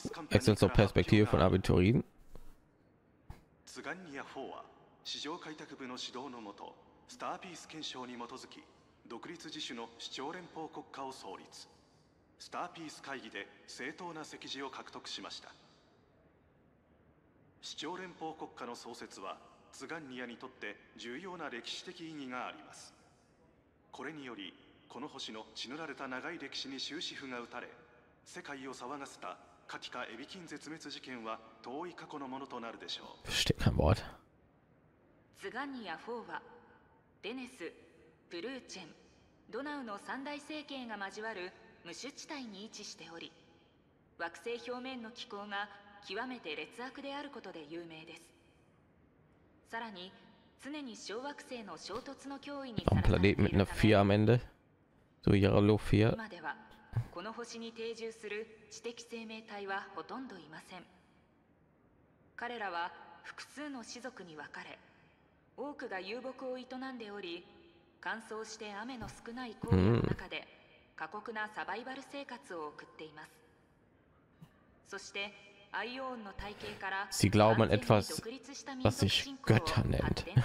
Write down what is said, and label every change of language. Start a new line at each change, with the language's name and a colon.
German: Wechseln zur Perspektive von Abiturien. Zugania 4 war,
Japanese: 市場開拓部の指導のもと、スターピース憲章に基づき、独立自主の市長連邦国家を創立。スターピース会議で正当な席次を獲得しました。市長連邦国家の創設は、ツガンニアにとって重要な歴史的意義があります。これにより、この星の血塗られた長い歴史に終止符が打たれ、世界を騒がせたカティカ・エビキン絶滅事件は遠い過去のものとなるでしょう。
German: Versteh kein Wort。
Japanese: ツガンニア4は、デネス、プルーチェン、ドナウの三大聖系が交わる無主地帯に位置しており、惑星表面の気候が極めて劣悪であることで有名です。さらに、常に小惑星の衝突の脅威にさらされているため、
German: Planet mit einer vier am Ende, so Yarlo
Japanese: 4。今ではこの星に定住する知的生命体はほとんどいません。彼らは複数の種族に分かれ、多くが遊牧を営んでおり、乾燥して雨の少ない荒野の中で過酷なサバイバル生活を送っています。そしてアイオーンの体系から、
German: Sie glauben an etwas, was sich Götter nennt.